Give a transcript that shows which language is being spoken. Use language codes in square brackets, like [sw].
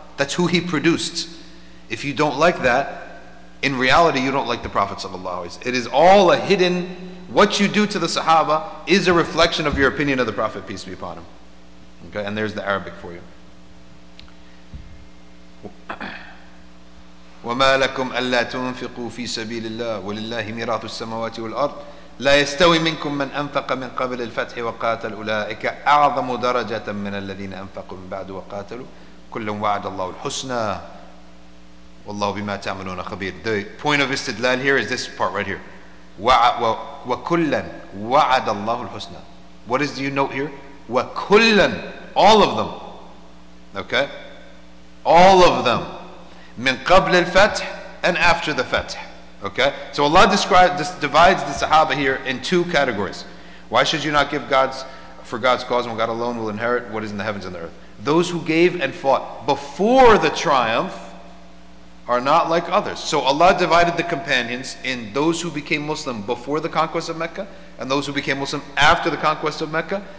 [en] That's who he produced. If you don't like that, in reality you don't like the prophets of Allah. It is all a hidden, what you do to the sahaba is a reflection of your opinion of the prophet, peace be upon him. Okay, and there's the Arabic for you. [ar] وما لكم الا تنفقوا في سبيل الله ولله ميراث السماوات والارض لا يستوي منكم من أنفق من قبل الفتح وقاتل أولئك أعظم درجة من الذين أنفقوا من بعد وقاتلوا كل وعد الله الحسنى والله بما تعملون خبير. [en] The point of istidlal here is this part right here. [ar] وَكُلًّا وَعَدَ اللَّهُ الْحُسْنَى. [en] What is you note here? [ar] وَكُلًّا, [en] all of them. Okay? All of them. [ar] من قبل الفتح [en] and after the [ar] فتح. [en] Okay, so Allah divides the Sahaba here in two categories. Why should you not give God's cause when God alone will inherit what is in the heavens and the earth? Those who gave and fought before the triumph are not like others. So Allah divided the companions in those who became Muslim before the conquest of Mecca and those who became Muslim after the conquest of Mecca.